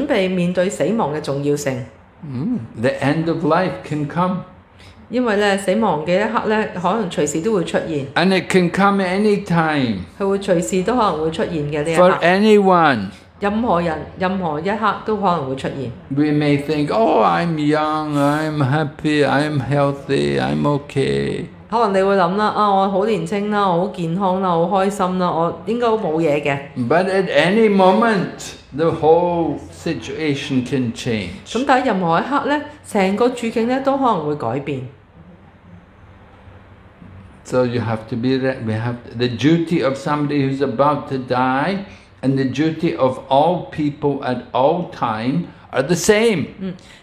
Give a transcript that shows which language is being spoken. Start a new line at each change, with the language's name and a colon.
Chinese: 我們要明白,我們是去準備面對死亡的重要性。
English: The end of life can come.
Chinese: 因為死亡的一刻,可能隨時都會出現
English: And it can come anytime
Chinese: 它會隨時都可能會出現的這一刻
English: For anyone
Chinese: 任何人,任何一刻都可能會出現
English: We may think, oh, I'm young, I'm happy, I'm healthy, I'm okay
Chinese: 可能你會想,我很年輕,我很健康,我很開心,我應該沒事的
English: But at any moment, the whole situation can change
Chinese: 但任何一刻,整個處境都可能會改變
English: So you have to be the duty of somebody who's about to die and the duty of all people at all time are the same.